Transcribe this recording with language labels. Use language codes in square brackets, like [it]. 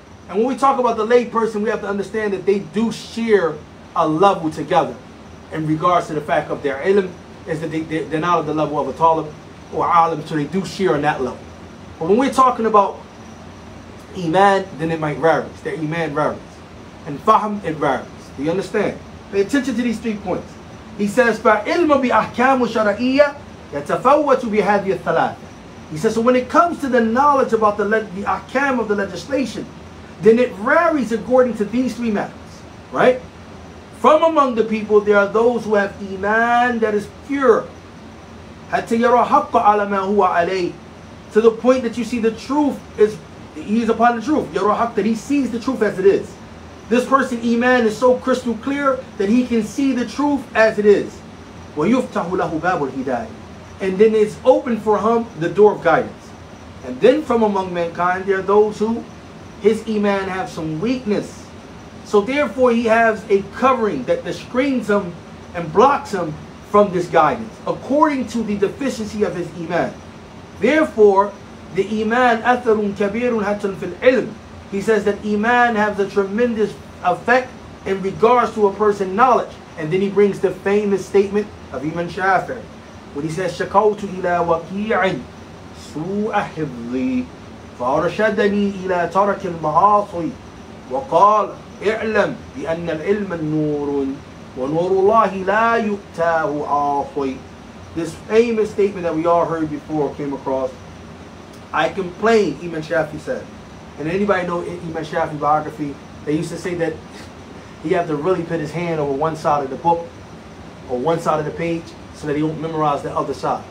[en] And when we talk about the lay person, we have to understand that they do share a level together in regards to the fact of their ilm, is that they're not at the level of a talib or alim, so they do share on that level. But when we're talking about iman, then it might vary. Their iman varies. And fahm, it varies. Do you understand? Pay attention to these three points. He says, [ar] فَعِلْمَ بِأَحْكَامُ شَرَعِيَّةِ يَتَفَوَّتُ بِهَذِي الثَّلَاثَةِ. [en] He says, so when it comes to the knowledge about the ahkam of the legislation, then it varies according to these three matters, right? From among the people, there are those who have iman that is pure. [ar] حَتَّى يَرَى حَقَّ عَلَى مَا هُوَ عَلَيْهِ. [en] To the point that you see the truth is, he is upon the truth. [ar] يَرَى حَقَّ, [en] that he sees the truth as it is. This person, iman, is so crystal clear that he can see the truth as it is. [ar] وَيُفْتَحُ لَهُ بَابُ الْهِدَايَةِ. [en] And then it's open for him the door of guidance. And then from among mankind, there are those who his iman have some weakness. So therefore he has a covering that screens him and blocks him from this guidance according to the deficiency of his iman. Therefore, the iman [ar] atharun kabirun hatun fil ilm. [en] He says that iman has a tremendous effect in regards to a person's knowledge. And then he brings the famous statement of Imam Shafi'i. When he says, [ar] شَكَوْتُ إِلَىٰ وَكِيعٍ سُوءَ حِبْظِي فَأَرْشَدَنِي إِلَىٰ تَرَكِ الْمَعَاصِي وَقَالَ اِعْلَمْ بِأَنَّ الْعِلْمَ النُّورٌ وَنُورُ اللَّهِ لَا يُؤْتَاهُ عَاصِي. [en] This famous statement that we all heard before came across. I complain, Imam Shafi said. And anybody know Imam Shafi's biography? They used to say that he had to really put his hand over one side of the book or one side of the page, so that he won't memorize the other side.